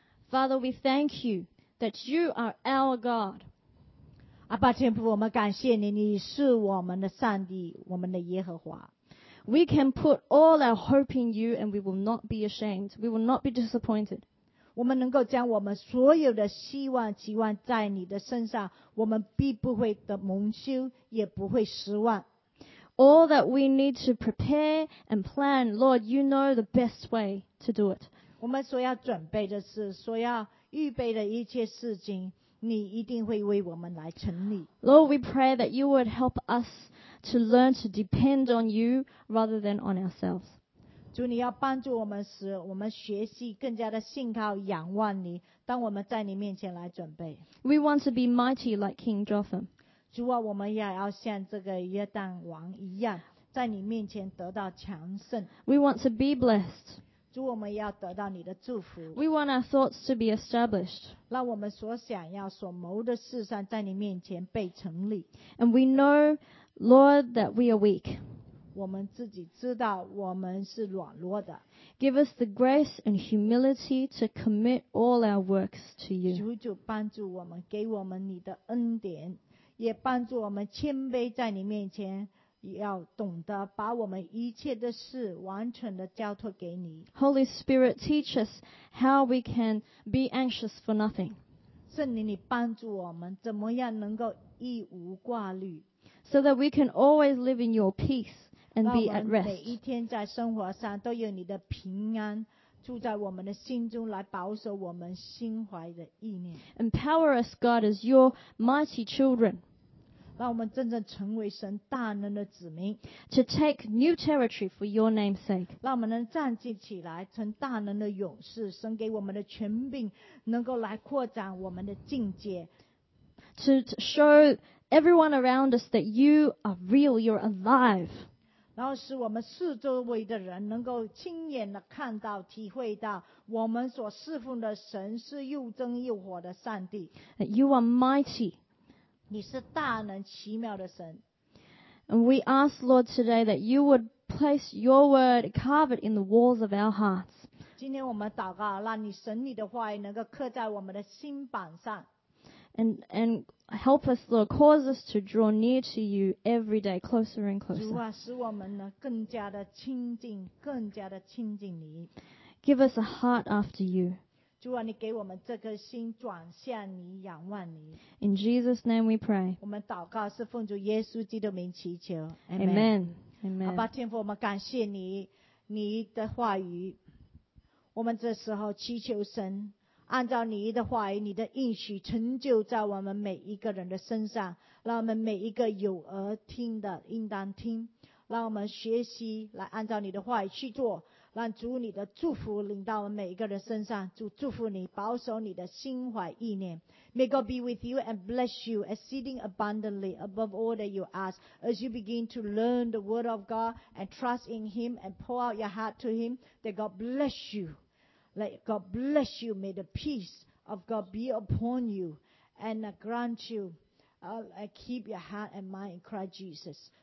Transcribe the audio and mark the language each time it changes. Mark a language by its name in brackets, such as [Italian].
[English] Father, we thank you that you are our God. [Chinese] 阿爸天父，我们感谢你，你是我们的上帝，我们的耶和华。 [English] We can put all our hope in you and we will not be ashamed. We will not be disappointed. [Chinese] 我们能够将我们所有的希望期望在你的身上，我们必不会的蒙羞，也不会失望。 [English] All that we need to prepare and plan, Lord, you know the best way to do it. [Chinese] 我们所要准备的事，所要预备的一切事情，你一定会为我们来成立。 [English] Lord, we pray that you would help us to learn to depend on you rather than on ourselves. [Chinese] 主，你要帮助我们，使我们学习更加的信靠仰望你。当我们在你面前来准备 [English] ，We want to be mighty like King Jotham. [Chinese] 主啊，我们也要像这个约旦王一样，在你面前得到强盛。 [English] We want to be blessed. [Chinese] 主，我们要得到你的祝福。 [English] We want our thoughts to be established. [Chinese] 让我们所想要、所谋的事上，在你面前被成立。 [English] And we know, Lord, that we are weak. [Chinese] 我们自己知道我们是软弱的。 [English] Give us the grace and humility to commit all our works to you. [Chinese] 主，就帮助我们，给我们你的恩典，也帮助我们谦卑在你面前。要懂得把我们一切的事完全的交托给你。 [English] Holy Spirit, teach us how we can be anxious for nothing. [Chinese] 圣灵，你帮助我们怎么样能够一无挂虑。 [English] So that we can always live in your peace and be at rest. [Chinese] 让我们每一天在生活上都有你的平安住在我们的心中，来保守我们心怀的意念。 [English] Empower us, God, as your mighty children. [Chinese] 让我们真正成为神大能的子民 [English] ，to take new territory for your name's sake。 [Chinese] 让我们能站立起来，成大能的勇士，神给我们的权柄，能够来扩展我们的境界。 [English] To show everyone around us that you are real, you're alive。 [Chinese] 然后使我们四周围的人能够亲眼的看到、体会到，我们所侍奉的神是又真又活的上帝。 [English] That、you are mighty。 [Chinese] 你是大能奇妙的神。 [English] And we ask, Lord, today that you would place your word, carve it in the walls of our hearts. [Chinese] 今天我们祷告，让你神你的话语能够刻在我们的心板上。 [English] And help us, Lord, cause us to draw near to you every day, closer and closer. [Chinese] 主啊，使我们呢更加的亲近，更加的亲近你。 [English] Give us a heart after you. [Chinese] 主啊，你给我们这颗心转向你，仰望你。 [English] In Jesus' name we pray。 [Chinese] 我们祷告是奉主耶稣基督的名祈求。 [English] Amen。 Amen。 [Chinese] 阿爸天父，我们感谢你，你的话语。我们这时候祈求神，按照你的话语、你的应许，成就在我们每一个人的身上，让我们每一个有耳听的应当听，让我们学习来按照你的话语去做。让主你的祝福临到我们每一个人身上，主祝福你，保守你的心怀意念。 [English] May God be with you and bless you exceeding abundantly above all that you ask. As you begin to learn the word of God and trust in Him and pour out your heart to Him, that God bless you. Let God bless you. May the peace of God be upon you and grant you, keep your heart and mind in Christ Jesus.